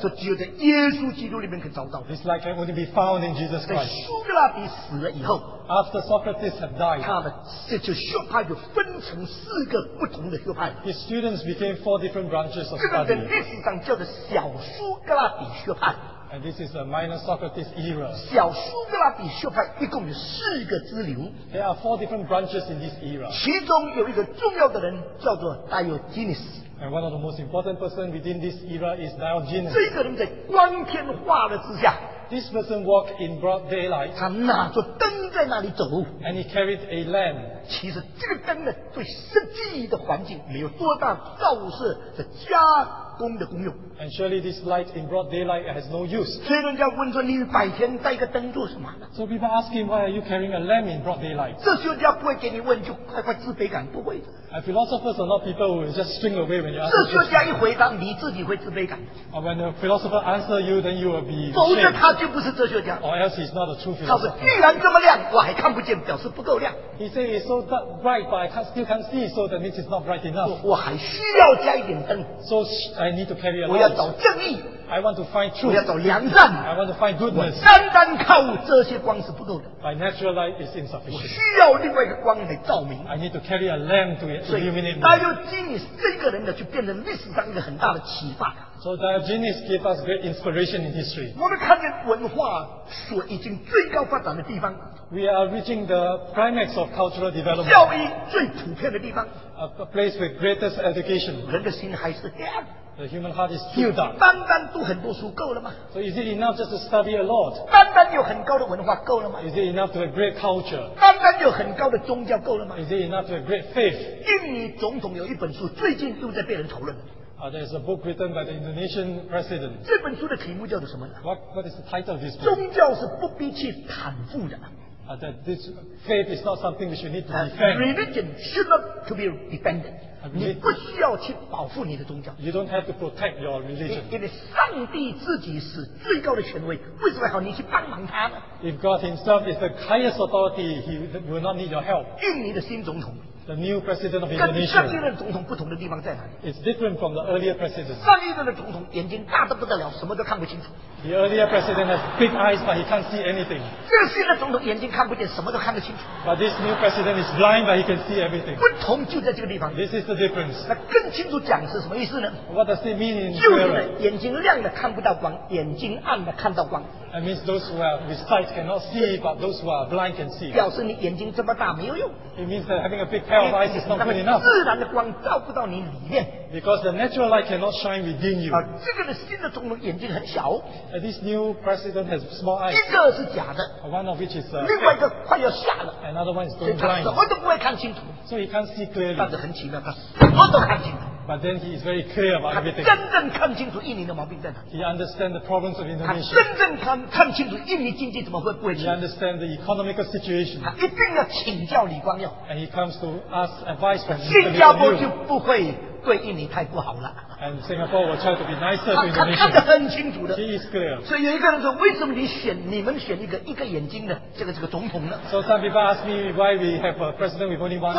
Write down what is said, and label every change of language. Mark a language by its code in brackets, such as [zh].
[zh] 就只有在耶稣基督里面可以找到。 [en] This light can only be found in Jesus Christ. [zh] 在苏格拉底死了以后， [en] After Socrates had died, [zh] 他的这就学派就分成四个不同的学派。 [en] His students became four different branches of study. [zh] 这个在历史上叫做小苏格拉底学派。 [en] And this is a minor Socrates era. [zh] 小苏格拉底学派一共有四个支流。 [en] There are four different branches in this era. [zh] 其中有一个重要的人叫做 Diogenes. [en] And one of the most important person within this era is Diogenes. [zh] 这个人在光天化日之下。 [en] This person walked in broad daylight. [zh] 他拿着灯在那里走。 [en] And he carried a lamp. [zh] 其实这个灯呢，对实际的环境没有多大照射的加工的功用。 [en] And surely this light in broad daylight has no use. [zh] 所以人家问说，你白天带个灯做什么？ [en] So people ask him, why are you carrying a lamp in broad daylight? [zh] 这时候人家不会给你问，就快快自卑感，不会的。 [en] And philosophers are not people who just string away when you ask. [zh] 这时候人家一回答，你自己会自卑感。 [en] Or when a philosopher answer you, then you will be. [zh] 否则他就不是哲学家。 [en] Or else he's not a true philosopher. [zh] 他说，既然这么亮，我还看不见，表示不够亮。 [en] He say it's so dark, bright, but I can't, still can't see, so that means it's not bright enough. [zh] 我还需要加一点灯。 [en] So I need to carry a lamp. [zh] 找正义， [en] I want to find truth. [zh] 我要找良善， [en] I want to find goodness. [zh] 我单单靠这些光是不够的。 [en] My natural light is insufficient. [zh] 我需要另外一个光来照明。 [en] I need to carry a lamp to illuminate. [zh] 所以Diogenes这个人呢，就变成历史上一个很大的启发。 [en] So Diogenes gave us great inspiration in history. [zh] 我们看见文化所已经最高发展的地方。 [en] We are reaching the climax of cultural development. [zh] 教育最普遍的地方。 [en] A place with greatest education. [zh] 人的心还是黑暗。 [en] The human heart is still dark. [zh] 单单读很多书够了吗？ [en] So is it enough just to study a lot? [zh] 单单有很高的文化够了吗？ [en] Is it enough to have great culture? [zh] 单单有很高的宗教够了吗？ [en] Is it enough to have great faith? [zh] 印尼总统有一本书最近都在被人讨论。 [en] There is a book written by the Indonesian president. [zh] 这本书的题目叫做什么呢？ [en] What is the title of this book? [zh] 宗教是不必去袒护的。 [en] That this faith is not something which you need to defend. Religion should not to be defended. [zh] 你不需要去保护你的宗教。 [en] You don't have to protect your religion. [zh] 因为上帝自己是最高的权威，为什么要你去帮忙他呢？ [en] If God Himself is the highest authority, He will not need your help. [zh] 印尼的新总统。 [en] The new president of Indonesia. [zh] 跟上一任总统不同的地方在哪里？ [en] It's different from the earlier president. [zh] 上一任的总统眼睛大得不得了，什么都看不清楚。 [en] The earlier president has big eyes, but he can't see anything. [zh] 这个新的总统眼睛看不见，什么都看得清楚。 [en] But this new president is blind, but he can see everything. [zh] 不同就在这个地方。 [en] This is the difference. [zh] 那更清楚讲是什么意思呢？ [en] What does it mean in clearer? [zh] 就是呢，眼睛亮的看不到光，眼睛暗的看到光。 [en] That means those who are with sight cannot see, but those who are blind can see. [zh] 表示你眼睛这么大没有用。 [en] It means that having a big pair of eyes is not good enough. [zh] 自然的光照不到你里面。 [en] Because the natural light cannot shine within you. [zh] 这个呢，新的总统眼睛很小。 [en] This new president has small eyes. [zh] 一个是假的。 [en] One of which is. [zh] 另外一个快要瞎了。 [en] Another one is going blind. [zh] 所以他什么都不会看清楚。 [en] So he can't see clearly. [zh] 但是很奇妙，他什么都看清楚。 [en] But then he is very clear about everything. [zh] 他真正看清楚印尼的毛病在哪。 [en] He understands the problems of Indonesia. [zh] 他真正看清楚印尼经济怎么会不会。 [en] He understands the economic situation. [zh] 他一定要请教李光耀。 [en] And he comes to ask advice from [zh] him. 新加坡就不会对印尼太不好了。 [en] And Singapore will try to be nicer to Indonesia. [zh] 他看得很清楚的。 [en] He is clear. [zh] 所以有一个人说，为什么你们选一个眼睛的这个总统呢？ [en] So some people ask me why we have a president with only one eye.